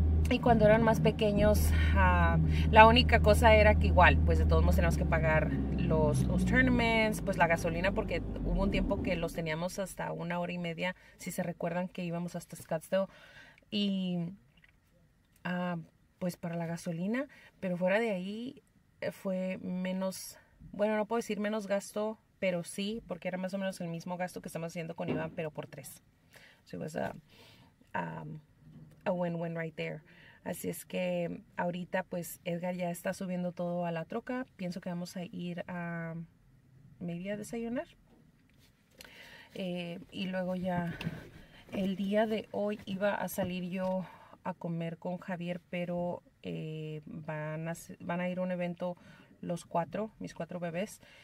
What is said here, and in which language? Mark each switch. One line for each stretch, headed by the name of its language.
Spanish: Y cuando eran más pequeños, la única cosa era que igual, pues de todos modos teníamos que pagar los tournaments, pues la gasolina, porque hubo un tiempo que los teníamos hasta una hora y media, si se recuerdan, que íbamos hasta Scottsdale, y pues para la gasolina. Pero fuera de ahí fue menos, bueno, no puedo decir menos gasto, pero sí, porque era más o menos el mismo gasto que estamos haciendo con Iván, pero por tres.
English: So it was a win-win right there.
Spanish: Así es que ahorita pues Edgar ya está subiendo todo a la troca. Pienso que vamos a ir a maybe a desayunar. Y luego ya el día de hoy iba a salir yo a comer con Javier, pero van a ir a un evento los cuatro, mis cuatro bebés.